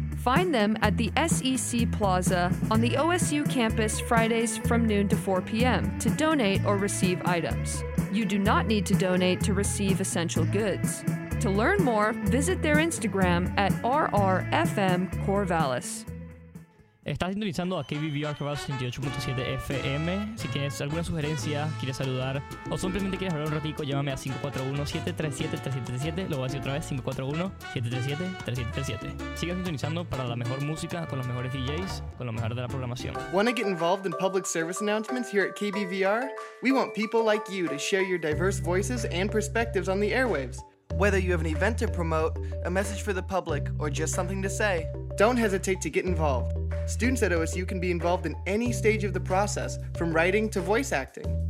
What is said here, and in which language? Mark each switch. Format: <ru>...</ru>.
<en>Find them at the SEC Plaza on the OSU campus Fridays from noon to 4 p.m. to donate or receive items. You do not need to donate to receive essential goods. To learn more, visit their Instagram at RRFM Corvallis.</en> <es>Estás sintonizando a KBVR Corvallis 88.7 FM. Si tienes alguna sugerencia, quieres saludar o simplemente quieres hablar un ratico, llámame a 541-737-3737. Lo voy a decir otra vez, 541-737-3737. Sigue sintonizando para la mejor música, con los mejores DJs, con lo mejor de la programación.</es> <en>Want to get involved in public service announcements here at KBVR? We want people like you to share your diverse voices and perspectives on the airwaves. Whether you have an event to promote, a message for the public, or just something to say, don't hesitate to get involved. Students at OSU can be involved in any stage of the process, from writing to voice acting.</en>